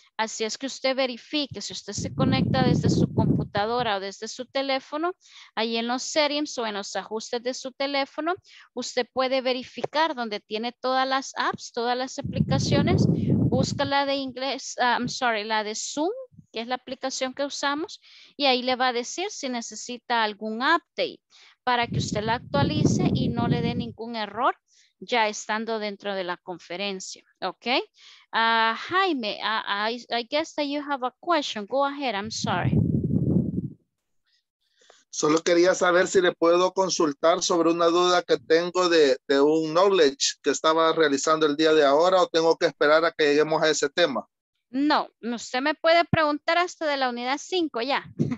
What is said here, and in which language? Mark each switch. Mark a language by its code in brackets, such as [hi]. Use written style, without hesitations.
[es] Así es que usted verifique, si usted se conecta desde su computadora o desde su teléfono, ahí en los settings o en los ajustes de su teléfono, usted puede verificar donde tiene todas las apps, todas las aplicaciones, busca la de inglés, la de Zoom, que es la aplicación que usamos, y ahí le va a decir si necesita algún update para que usted la actualice y no le dé ningún error ya estando dentro de la conferencia, ¿ok? [en] Jaime, I guess that you have a question. Go ahead, I'm sorry. [es] Solo quería saber si le puedo consultar sobre una duda que tengo de un knowledge que estaba realizando el día de ahora, o tengo que esperar a que lleguemos a ese tema. No, usted me puede preguntar hasta de la unidad 5 ya.